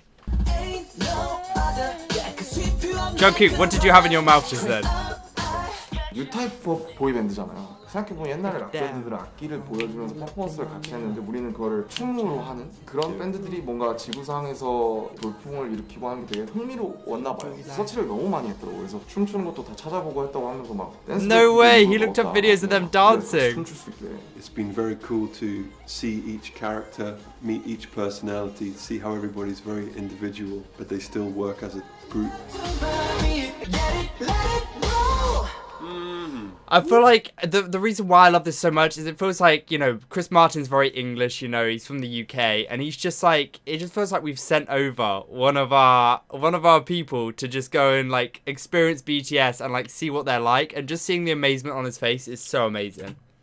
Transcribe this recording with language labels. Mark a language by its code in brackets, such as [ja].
[en] Jungkook, what did you have in your mouth just then? New type of boy band잖아요. [ko] 생각해보면 옛날에 락밴드들 악기를 보여주면서 퍼포먼스를 같이 했는데 우리는 그거를 춤으로 하는 그런 밴드들이 뭔가 지구상에서 돌풍을 일으키고 하는 게 되게 흥미로웠나 봐요. 서치를 너무 많이 했더라고. 그래서 춤추는 것도 다 찾아보고 했다고 하면서 막 댄스. [en] No way. He looked up videos of them dancing. [ko] 춤출 수 있게. [en] It's been very cool to see each character, meet each personality, see how everybody's very individual, but they still work as a group. I feel like the reason why I love this so much is it feels like, you know, Chris Martin's very English, you know, he's from the UK and he's just like, it just feels like we've sent over one of our people to just go and like experience BTS and like see what they're like and just seeing the amazement on his face is so amazing.